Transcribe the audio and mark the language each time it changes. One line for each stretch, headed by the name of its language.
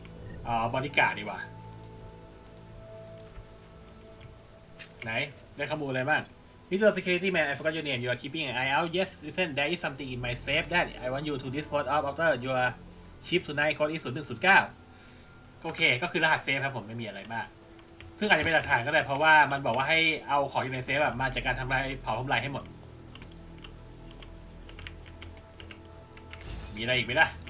Thai: ละบอดี้การ์ดดีกว่าไหนได้ข้อมูลอะไรบ้างMr.
English: Security Man, I forgot your name. You are keeping an eye out. Yes, listen, there is something in my safe that I want you to dispose of after your shift tonight. Code is 0109.
Thai: โอเคก็คือรหัสเซฟครับผมไม่มีอะไรมากซึ่งอาจจะเป็นหลักฐานก็ได้เพราะว่ามันบอกว่าให้เอาของอยู่ในเซฟแบบมาจากการทำลายเผาทำลายให้หมดมีอะไรอีกไหมล่ะ